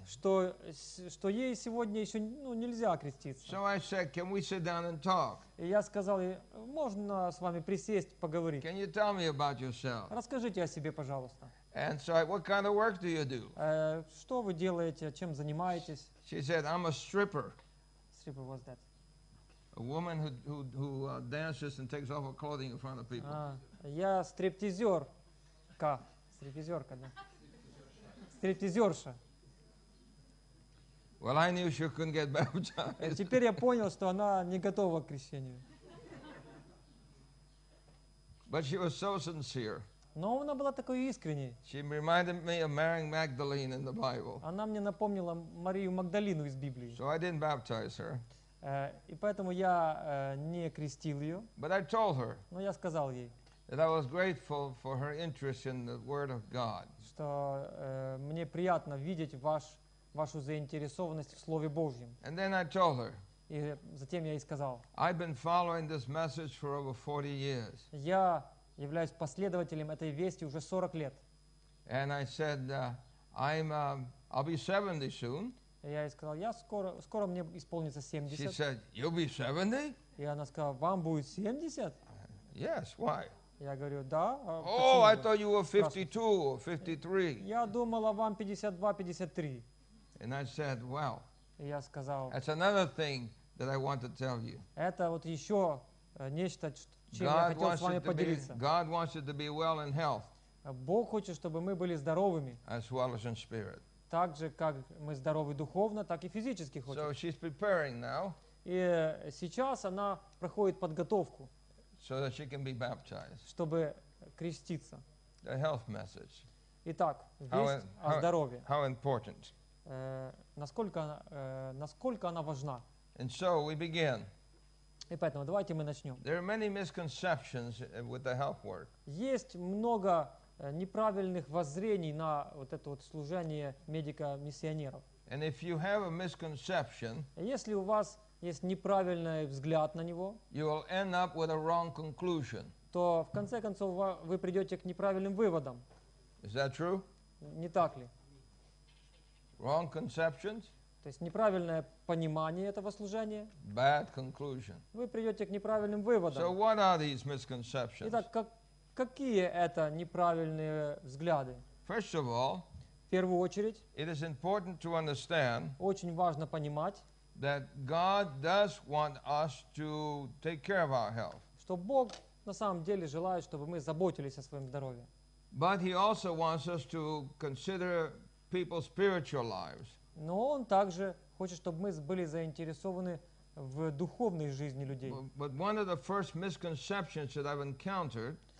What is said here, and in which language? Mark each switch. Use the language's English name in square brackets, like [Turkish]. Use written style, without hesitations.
[Russian] Что ей сегодня еще, ну, нельзя креститься. [English] So I said, can we sit down and talk? [Russian] И я сказал ей, можно с вами присесть, поговорить? [English] Can you tell me about yourself? [Russian] Расскажите о себе, пожалуйста. [English] And so, what kind of work do you do? [Russian] Что вы делаете, чем занимаетесь? [English] She said, I'm a stripper. Stripper, what's that? A woman who dances and takes off her clothing in front of people. [Russian] Я стриптизерка. Стриптизерка, да. Стриптизерша. [English] Well, I knew she couldn't get baptized. [Russian] Теперь я понял, что она не готова к крещению. [English] But she was so sincere. [Russian] Но она была такой искренней. [English] She reminded me of Mary Magdalene in the Bible. [Russian] Она мне напомнила Марию Магдалину из Библии. [English] So I didn't baptize her. [Russian] И поэтому я не крестил ее. [English] But I told her. [Russian] Но я сказал ей. [English] That I was grateful for her interest in the Word of God. [Russian] Что мне приятно видеть вашу заинтересованность в Слове Божьем. [English] And then I told her. [Russian] И затем я ей сказал. [English] I've been following this message for over 40 years. [Russian] Я являюсь последователем этой вести уже 40 лет. [English] And I said, I'll be 70 soon. [Russian] Я ей сказал, я скоро мне исполнится 70. [English] She said, you'll be 70? [Russian] И она сказала, вам будет 70? [English] Yes, why? [Russian] Я говорю, да. [English] Oh, I thought you were 52 or 53. [Russian] Я думал, вам 52-53. [English] And I said, well. [Russian] И я сказал. [English] That's another thing that I want to tell you. [Russian] Это вот еще нечто, чем я хотел с вами поделиться. [English] God wants you to be well in health. [Russian] Бог хочет, чтобы мы были здоровыми. [English] As well as in spirit. [Russian] Так же, как мы здоровы духовно, так и физически хотим. [English] So she's preparing now. [Russian] И сейчас она проходит подготовку. [English] So that she can be baptized. [Russian] Чтобы креститься. [English] The health message. [Russian] Итак, весть о здоровье. [English] How important. [Russian] Насколько она важна. [English] And so we begin. [Russian] И поэтому давайте мы начнем. [English] There are many misconceptions with the health work. [Russian] Есть много неправильных воззрений на вот это вот служение медико-миссионеров. [English] And if you have a misconception, [Russian] если у вас есть неправильный взгляд на него, [English] you will end up with a wrong conclusion. [Russian] То в конце концов вы придете к неправильным выводам. [English] Is that true? [Russian] Не так ли? [English] Wrong conceptions? [Russian] То есть неправильное понимание этого служения. [English] Bad conclusion. [Russian] Вы придете к неправильным выводам. [English] So what are these misconceptions? [Russian] Итак, какие это неправильные взгляды? [English] First of all, [Russian] в первую очередь, [English] it is important to understand, [Russian] очень важно понимать, [English] that God does want us to take care of our health. [Russian] Что Бог на самом деле желает, чтобы мы заботились о своем здоровье. [English] But he also wants us to consider people's spiritual lives. [Russian] Но он также хочет, чтобы мы были заинтересованы в духовной жизни людей. [English] But one of the first misconceptions that I've encountered,